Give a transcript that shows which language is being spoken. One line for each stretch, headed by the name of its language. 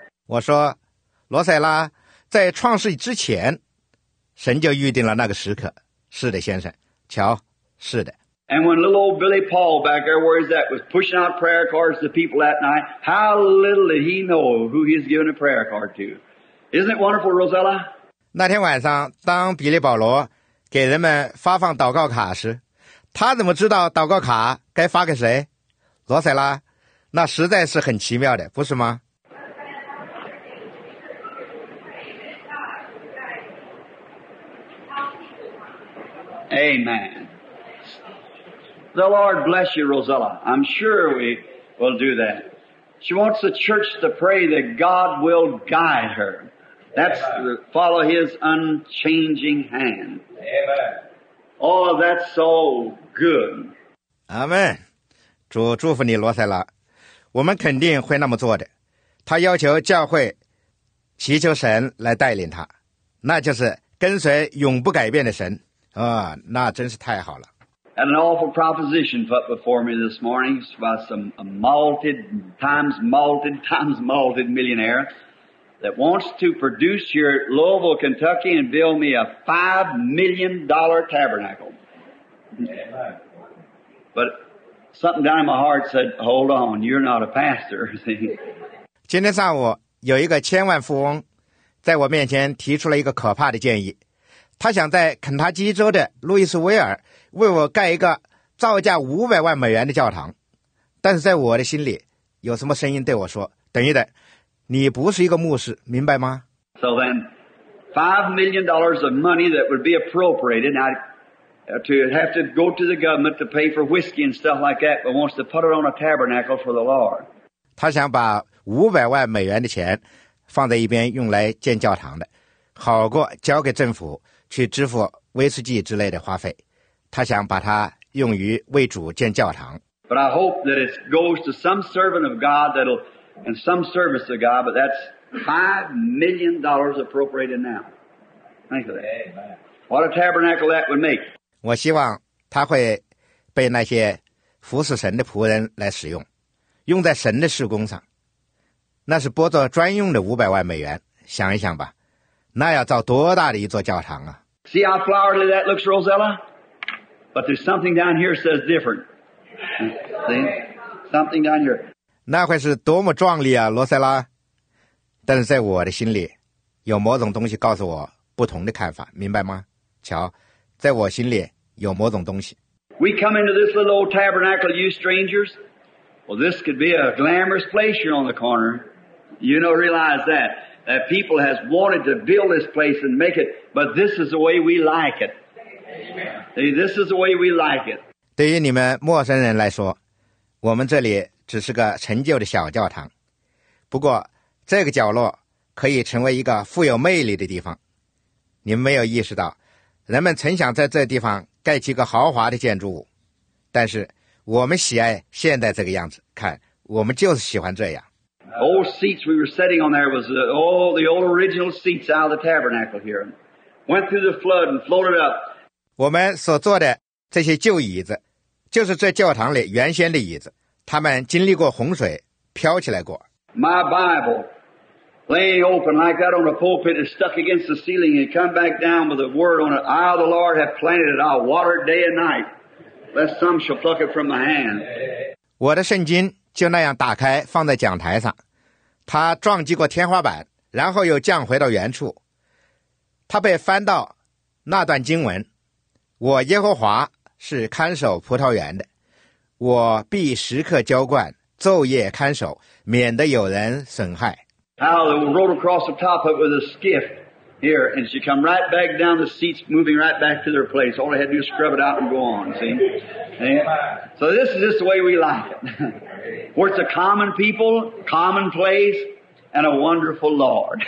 Chinese: 我说，罗塞拉，在创世之前，神就预定了那个时刻。是的，先生，瞧，是的。
English: And when little old Billy Paul back there, where is that, was pushing out prayer cards to people that night, how little did he know who he's giving a prayer card to? Isn't it wonderful, Rosella?
Chinese: 那天晚上，当比利保罗给人们发放祷告卡时，他怎么知道祷告卡该发给谁？罗塞拉，那实在是很奇妙的，不是吗？
English: Amen. The Lord bless you, Rosella. I'm sure we will do that. She wants the church to pray that God will guide her. That's follow his unchanging hand. Amen. Oh, that's so good.
Chinese: Amen. 主祝福你罗塞拉。我们肯定会那么做的。他要求教会祈求神来带领他。那就是跟随永不改变的神。哦，那真是太好了。
English: And an awful proposition put before me this morning by some multi-times-multi-times-multi millionaire that wants to produce here at Louisville, Kentucky and build me a $5 million tabernacle. But something down in my heart said, hold on, you're not a pastor.
Chinese: 今天上午有一个千万富翁在我面前提出了一个可怕的建议。他想在肯塔基州的路易斯维尔为我盖一个造价500万美元的教堂。但是在我的心里有什么声音对我说，等一等，你不是一个牧师，明白吗？
English: So then, $5 million of money that would be appropriated, and I'd have to go to the government to pay for whiskey and stuff like that, but wants to put it on a tabernacle for the Lord.
Chinese: 他想把500万美元的钱放在一边用来建教堂的，好过交给政府去支付威士忌之类的花费。他想把它用于为主建教堂。
English: But I hope that it goes to some servant of God that'll. And some service to God, but that's $5 million appropriated now. Think of that. What a tabernacle that would make.
Chinese: 我希望他会被那些服侍神的仆人来使用，用在神的事工上。那是拨作专用的500万美元。想一想吧，那要造多大的一座教堂啊！
English: See how flowery that looks, Rosella? But there's something down here that says different. See? Something down here.
Chinese: 那会是多么壮丽啊，罗塞拉！但是在我的心里，有某种东西告诉我不同的看法，明白吗？瞧，在我心里有某种东西。
English: We come into this little old tabernacle, you strangers. Well, this could be a glamorous place here on the corner. You don't realize that people has wanted to build this place and make it, but this is the way we like it. Amen. See, this is the way we like it.
Chinese: 对于你们陌生人来说，我们这里。只是个陈旧的小教堂，不过这个角落可以成为一个富有魅力的地方。你们没有意识到，人们曾想在这地方盖几个豪华的建筑物，但是我们喜爱现在这个样子。看，我们就是喜欢这样。
English: Old seats we were sitting on there was the old original seats out of the tabernacle here, went through the flood and floated up.
Chinese: 我们所坐的这些旧椅子，就是这教堂里原先的椅子。他们经历过洪水，飘起来过。
English: My Bible, laying open like that on a pulpit, is stuck against the ceiling and come back down with a word on it. I, the Lord, have planted it. I'll water it day and night, lest some shall pluck it from my hand.
Chinese: 我的圣经就那样打开放在讲台上，它撞击过天花板，然后又降回到原处。它被翻到那段经文：我耶和华是看守葡萄园的。我必时刻浇灌，昼夜看守，免得有人损害。
English: how they rode across the top of it with a skiff here, and she come right back down the seats, moving right back to their place. All they had to do was scrub it out and go on, see? And so this is just the way we like it. Where it's a common people, common place, and a wonderful Lord.